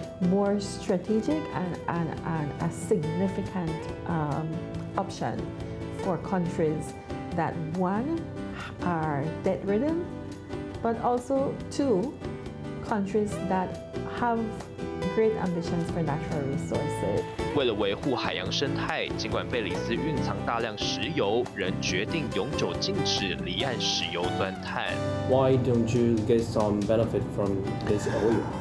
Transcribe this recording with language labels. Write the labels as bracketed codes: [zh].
[en] More strategic and a significant option for countries that one are debt ridden, but also two countries that have great ambitions for natural resources. [zh] 为了维护海洋生态，尽管贝里斯蕴藏大量石油，仍决定永久禁止离岸石油钻探。 [en] Why don't you get some benefit from this oil?